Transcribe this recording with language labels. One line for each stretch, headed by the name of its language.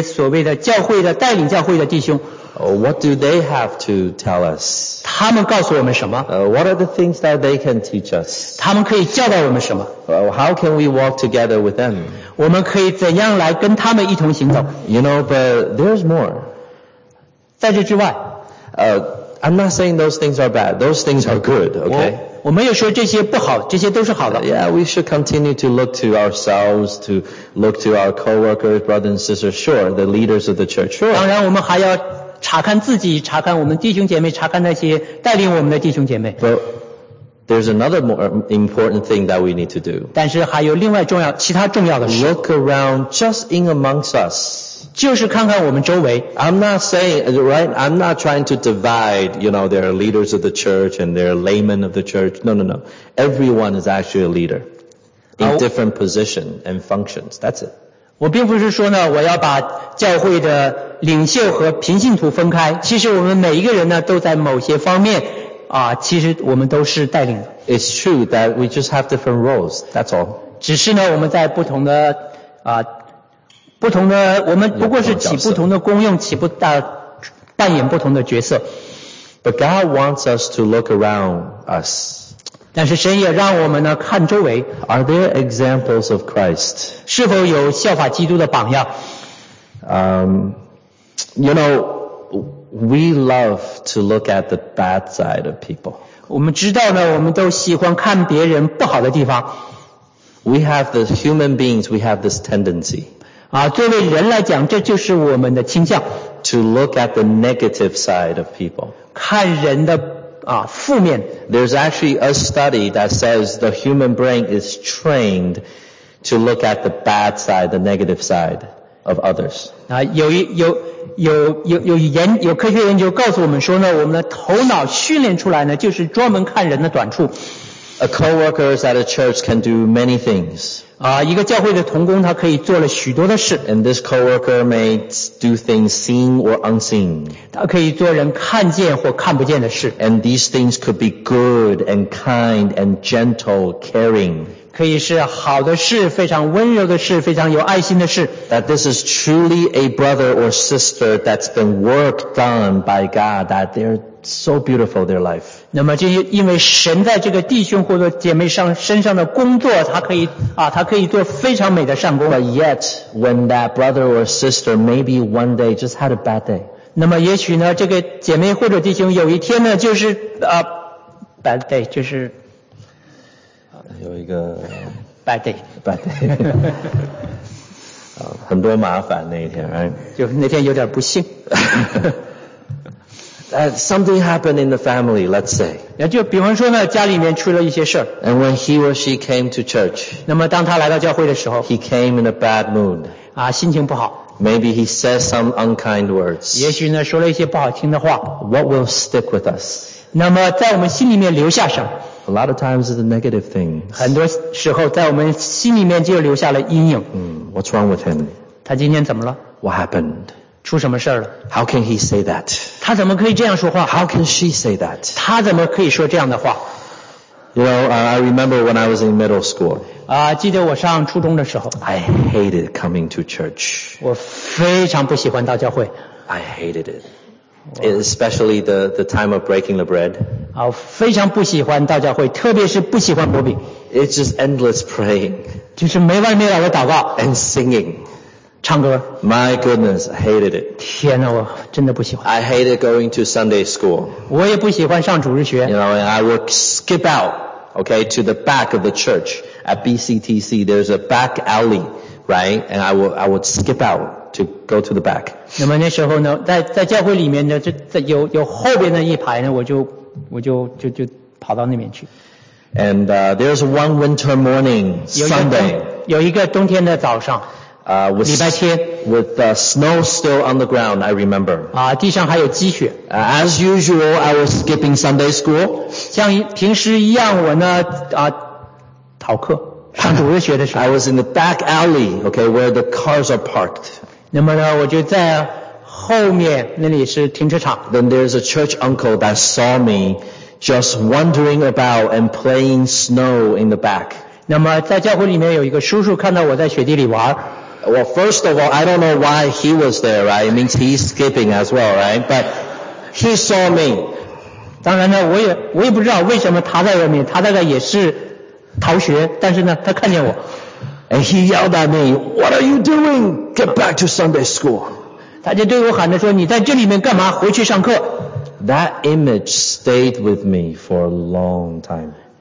Chinese: 那么有时候我们也会看那些所谓的教会的带领教会的弟兄。
English: What do they have to tell us?
Chinese: 他们告诉我们什么?
English: What are the things that they can teach us?
Chinese: 他们可以教导我们什么?
English: How can we walk together with them?
Chinese: 我们可以怎样来跟他们一同行走?
English: You know, but there's more.
Chinese: 在这之外,
English: I'm not saying those things are bad. Those things are good, okay?
Chinese: 我没有说这些不好, 这些都是好的。
English: Yeah, we should continue to look to ourselves, to look to our co-workers, brothers and sisters, sure, the leaders of the church, sure.
Chinese: 当然我们还要 查看自己, 查看我们弟兄姐妹, 查看那些带领我们的弟兄姐妹。
English: But there's another more important thing that we need to do.
Chinese: 但是还有另外重要, 其他重要的事。
English: Look around just in amongst us.
Chinese: 就是看看我们周围。
English: I'm not saying, right? I'm not trying to divide, you know, there are leaders of the church and there are laymen of the church. No, no, no. Everyone is actually a leader in different positions and functions. That's it.
Chinese: 我并不是说呢，我要把教会的领袖和平信徒分开。其实我们每一个人呢，都在某些方面啊，其实我们都是带领的。
English: It's true that we just have different roles. That's all.
Chinese: 只是呢，我们在不同的啊。不同的，我们不过是起不同的功用，起不大扮演不同的角色。
English: But God wants us to look around us.
Chinese: 但是神也让我们呢看周围。
English: Are there examples of Christ?
Chinese: 是否有效法基督的榜样？
English: You know, we love to look at the bad side of people.
Chinese: 我们知道呢，我们都喜欢看别人不好的地方。
English: We have the human beings. We have this tendency.
Chinese: 啊，作为人来讲，这就是我们的倾向。
English: To look at the negative side of people.
Chinese: 看人的啊负面。
English: There's actually a study that says the human brain is trained to look at the bad side, the negative side of others.
Chinese: 啊，有科学研究告诉我们说呢，我们的头脑训练出来呢，就是专门看人的短处。
English: A co-worker at a church can do many things.
Chinese: 啊，一个教会的同工他可以做了许多的事。
English: And this co-worker may do things seen or unseen.
Chinese: 他可以做人看见或看不见的事。
English: And these things could be good and kind and gentle, caring.
Chinese: 可以是好的事，非常温柔的事，非常有爱心的事。
English: That this is truly a brother or sister that's been work done by God, that they're so beautiful, their life.
Chinese: 那么就因为神在这个弟兄或者姐妹上身上的工作，他可以啊，他可以做非常美的善工。
English: But yet, when that brother or sister maybe one day just had a bad day.
Chinese: 那么也许呢，这个姐妹或者弟兄有一天呢，就是啊 ，
English: bad day，
Chinese: 就是有一个
English: bad day， bad day，
Chinese: 很多麻烦那一天，
English: right?
Chinese: 就那天有点不幸。
English: Something happened in the family, let's say.
Chinese: 那就比方说呢，家里面出了一些事儿。
English: And when he or she came to church.
Chinese: 那么当他来到教会的时候。
English: He came in a bad mood.
Chinese: 啊，心情不好。
English: Maybe he says some unkind words.
Chinese: 也许呢，说了一些不好听的话。
English: What will stick with us?
Chinese: 那么在我们心里面留下什么？
English: A lot of times it's a negative thing.
Chinese: 很多时候在我们心里面就留下了阴影。
English: What's wrong with him?
Chinese: 他今天怎么了？
English: What happened?
Chinese: 出什么事了？
English: How can he say that?
Chinese: 他怎么可以这样说话？
English: How can she say that?
Chinese: 他怎么可以说这样的话？
English: You know, I remember when I was in middle school.
Chinese: 啊，记得我上初中的时候。
English: I hated coming to church.
Chinese: 我非常不喜欢到教会。
English: I hated it. Especially the time of breaking the bread.
Chinese: 啊，非常不喜欢到教会，特别是不喜欢薄饼。
English: It's just endless praying.
Chinese: 就是没完没了的祷告。
English: And singing.
Chinese: 唱歌。
English: My goodness, I hated it.
Chinese: 天哪，我真的不喜欢。
English: I hated going to Sunday school.
Chinese: 我也不喜欢上主日学。
English: You know, and I would skip out, okay, to the back of the church at BCTC. There's a back alley, right? And I would skip out to go to the back.
Chinese: 那么那时候呢，在教会里面呢，就在有后边的一排呢，我就跑到那边去。
English: And there's one winter morning, Sunday.
Chinese: 有一个冬天的早上。礼拜天
English: with the snow still on the ground, I remember.
Chinese: 啊，地上还有积雪。
English: As usual, I was skipping Sunday school.
Chinese: 像平时一样，我呢啊，逃课，上主日学的时候。
English: I was in the back alley, okay, where the cars are parked.
Chinese: 那么呢，我就在后面，那里是停车场。
English: Then there's a church uncle that saw me just wandering about and playing snow in the back.
Chinese: 那么在教会里面有一个叔叔看到我在雪地里玩。
English: Well, first of all, I don't know why he was there, right? It means he's skipping as well, right? But he saw me.
Chinese: 当然呢，我也不知道为什么他在外面，他大概也是逃学，但是呢，他看见我。
English: And he yelled at me, "What are you doing? Get back to Sunday school."
Chinese: 他就对我喊着说，你在这里面干嘛？回去上课。
English: That image stayed with me for a long time.